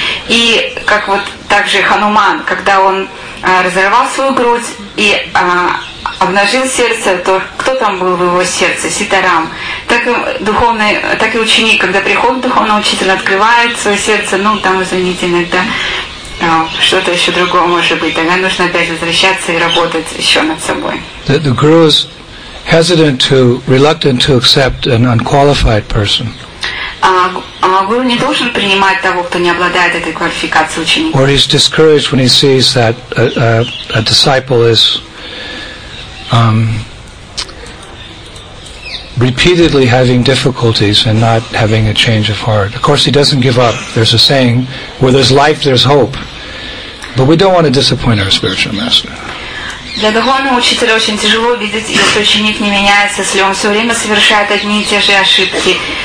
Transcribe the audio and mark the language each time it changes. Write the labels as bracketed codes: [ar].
[ru] И как вот также Хануман, когда он разорвал свою грудь и обнажил сердце, то кто там был в его сердце? Ситарам. Так и ученик, когда приходит духовный учитель, открывает свое сердце, ну там, извините, иногда Что-то еще другое может быть. Тогда нужно опять возвращаться и работать еще над собой. [en] The guru is hesitant to, reluctant to accept an unqualified person. [ru] Guru не должен принимать того, кто не обладает этой квалификацией ученика. [en] Or he's discouraged when he sees that a disciple is repeatedly having difficulties and not having a change of heart. Of course, he doesn't give up. There's a saying, where there's life, there's hope. But we don't want to disappoint our spiritual master. [ru] Для духовного учителя очень тяжело видеть, если ученик не меняется, если он все время совершает одни и те же ошибки.